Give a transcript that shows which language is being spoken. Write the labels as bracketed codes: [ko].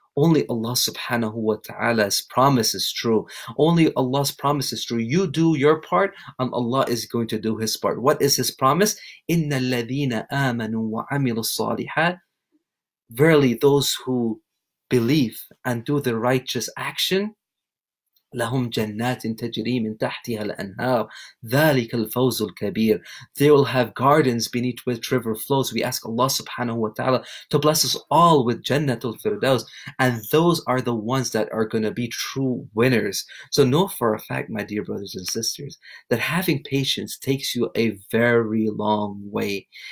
[en] Only Allah subhanahu wa ta'ala's promise is true. Only Allah's promise is true. You do your part, and Allah is going to do His part. What is His promise? [ar] Inna alladhina amanu wa amilu salihat. [en] Verily, those who believe and do the righteous action [ar] لهم جنات تجري من تحتها الأنهار ذلك الفوز الكبير. [en] They will have gardens beneath which river flows. We ask Allah subhanahu wa ta'ala to bless us all with Jannat al-Firdaus. And those are the ones that are going to be true winners. So know for a fact, my dear brothers and sisters, that having patience takes you a very long way.